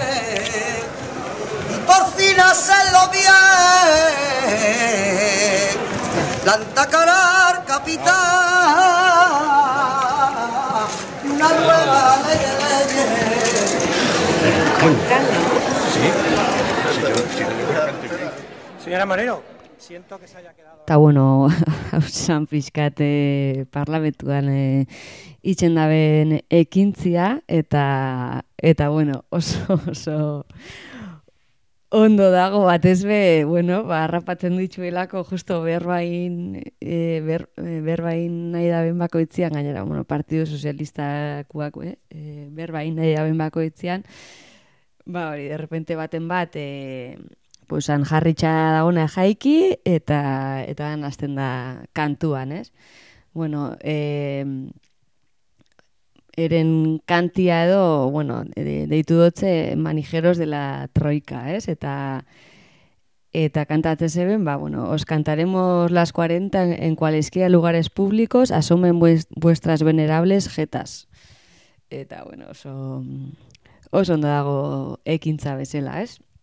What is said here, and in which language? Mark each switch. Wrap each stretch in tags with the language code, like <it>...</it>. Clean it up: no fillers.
<es>Y por fin hacerlo bien, planta cara al capitán, una nueva ley de leyes. Señora Moreno.</es> <eu>Eta bueno, hausan pixkat parlamentuan itxen daben ekintzia, eta bueno, oso ondo dago batezbe, bueno, harrapatzen dituelako justo berbain nahi daben bakoitzian, gainera, bueno, Partido Sozialistakoak, berbain nahi daben bakoitzian, ba hori,</eu> <es>de repente</es> <eu>baten bat,</eu> <es>pues</es> <eu>han jarritza dagoena jaiki eta hasten da kantuan, ez? Bueno, eren kantia edo, bueno, deitu dotze</eu> <es>manijeros de la troika,</es> <eu>ez? Eta kantatzen zeben, ba, bueno,</eu> <es>os cantaremos las 40 en cualesquiera lugares públicos, asomen vuestras venerables jetas.</es> <eu>Eta, bueno, oso ondo dago ekintza bezala, ez?</eu>